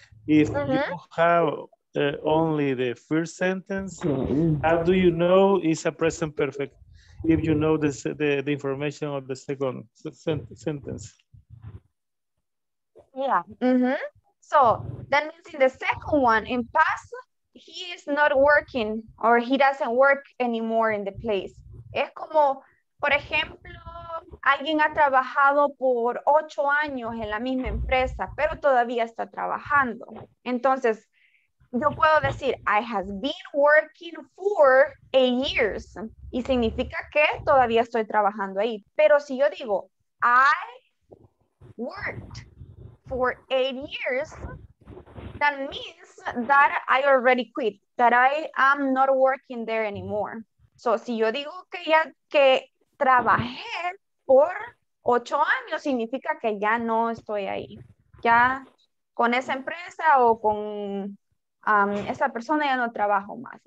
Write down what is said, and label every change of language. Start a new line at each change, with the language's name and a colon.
English: If you have only the first sentence, how do you know it's a present perfect? If you know the information of the second sentence. Yeah. Mm-hmm. So that means in the second one, in past, he is not working or he doesn't work anymore in the place.
Spanish: Es como, por ejemplo, alguien ha trabajado por 8 años en la misma empresa, pero todavía está trabajando. Entonces, yo puedo decir,
English: I have been working for 8 years.
Spanish: Y significa que todavía estoy trabajando ahí. Pero si yo digo,
English: I worked for 8 years, that means that I already quit, that I am not working there anymore.
Spanish: So si yo digo que ya que trabajé por 8 años, significa que ya no estoy ahí. Ya con esa empresa o con esa persona ya no trabajo más.